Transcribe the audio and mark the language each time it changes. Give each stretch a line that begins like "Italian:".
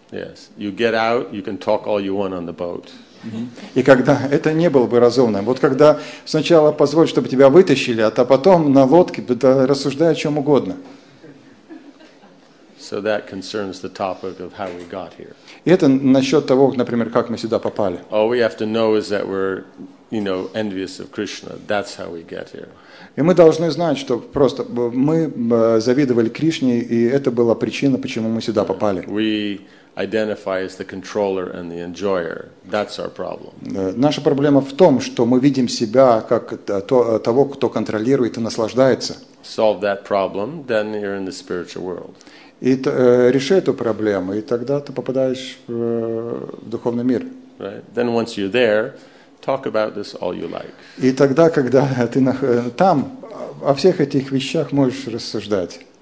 English: Yes, you get out, you can talk all you want on the boat.
Russian: И когда это не было бы разумно. Вот когда сначала позволь, чтобы тебя вытащили, а то потом на лодке рассуждай о чем угодно.
English: So that concerns the topic of how we got here.
Russian: Это насчет того, например, как мы сюда попали.
English: All we have to know is that we're, you know, envious of Krishna. That's how we get here.
Russian: И мы должны знать, что просто мы завидовали Кришне, и это была причина, почему мы сюда попали.
English: We identify as the controller and the enjoyer. That's our problem.
Russian: Наша проблема в том, что мы видим себя как того, кто контролирует и наслаждается.
English: Solve that problem, then you're in the spiritual world.
Russian: И реши эту проблему, и тогда ты попадаешь в духовный мир.
English: Right. Then once you're there, talk about this all you like.
Russian: И тогда, когда ты там, о всех этих вещах можешь рассуждать.